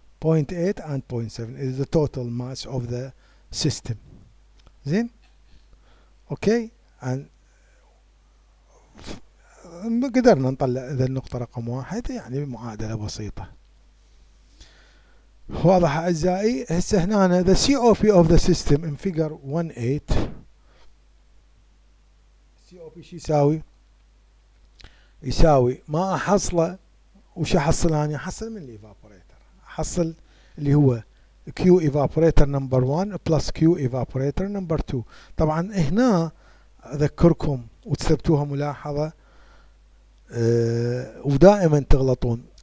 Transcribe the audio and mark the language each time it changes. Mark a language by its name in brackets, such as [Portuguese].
[English] 0.8 and 0.7 is the total mass of the system. Then, okay, and [Arabic] قدرنا نطلع إذا النقطة رقم واحد يعني معادلة بسيطة. واضح أعزائي؟ هسه هنا أنا [English] the COP of the system in figure 1.8. [Arabic] COP شو يساوي؟ يساوي ما أحصله وش أحصل أنا؟ أحصل من الإيفابوريتر، أحصل اللي هو [English] Q evaporator number 1 plus Q evaporator number 2. [Arabic] طبعا هنا أذكركم وتثبتوها ملاحظة ودائما تغلطون.